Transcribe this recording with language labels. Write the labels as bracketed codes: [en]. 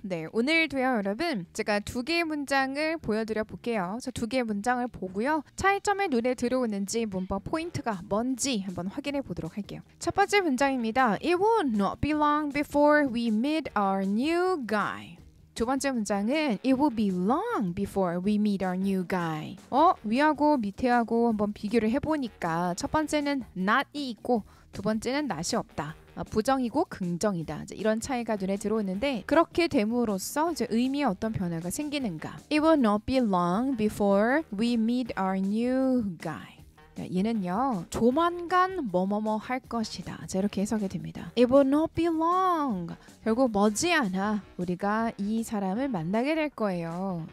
[ko] 네, 오늘도 여러분, 제가 두 개의 문장을 보여드려 볼게요. 그래서 두 개의 문장을 보고요. 차이점에 눈에 들어오는지, 문법 포인트가 뭔지 한번 확인해 보도록 할게요. 첫 번째 문장입니다. [en] It will not be long before we meet our new guy. [ko] 두 번째 문장은 [en] It will be long before we meet our new guy. [ko] 위하고 밑에하고 한번 비교를 해보니까 첫 번째는 not이 있고 두 번째는 not이 없다. 부정이고 긍정이다. 이제 이런 차이가 눈에 들어오는데 그렇게 됨으로써 이제 의미에 어떤 변화가 생기는가. [en] It will not be long before we meet our new guy. [ko] 얘는요, 조만간 뭐뭐뭐 할 것이다. 자, 이렇게 해석이 됩니다. [en] It will not be long. [ko] 결국 머지않아 우리가 이 사람을 만나게 될 거예요.